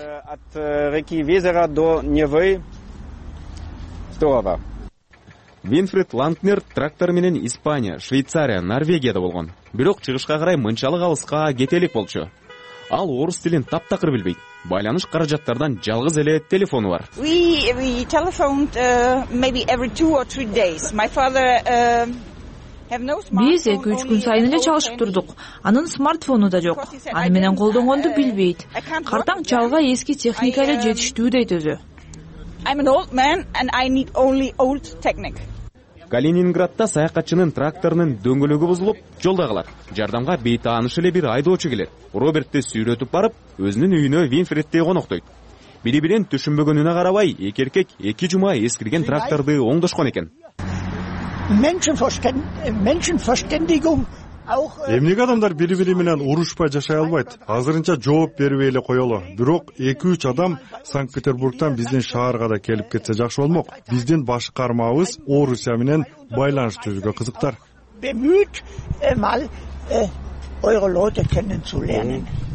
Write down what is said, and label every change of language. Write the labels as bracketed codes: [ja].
[ru] От реки Везера до Невы. Здорово. [ky] Винфред Лантнер трактор менен Испания, Швейцария, Норвегияда болгон. Бирок чыгышка карай мынчалык алыска кетелик болчу. Ал орус тилин таптакыр билбейт. Байланыш каражаттардан жалгыз эле телефону бар. [en] We telephoned maybe every 2 or 3 days. My father [ky] Биз 2-3 күн сайын эле чалышып турдук. Анын смартфону да жок. Аны менен колдонгонду билбейт. Картаң чалга эски техника эле жетиштүү дейт өзү. [en] I'm an old man and I need only old technique. [ky] Калининградда саякатчынын тракторунун дөңгөлөгү бузулуп, жолдо калат. Жардамга бейтааныш эле бир айдоочу келет. Робертти сүйрөтүп барып, өзүнүн үйүнө Винфредди коноктойт. Бири бирин түшүнбөгөнүнө карабай, эки эркек 2 жума эскирген тракторду оңдошкон экен. [de] Menschenverständigung auch [ky] Эмнеге адамдар бири-бири менен урушпай жашай албайт? Азырынча жооп бербей эле коёло. Бирок 2-3 адам Санкт-Петербургтан биздин шаарга да келип кетсе жакшы болмок. Биздин башкармабыз Орусия менен байланыш түзүүгө кызыктар. [de] Bemüht mal eure Leute kennenzulernen.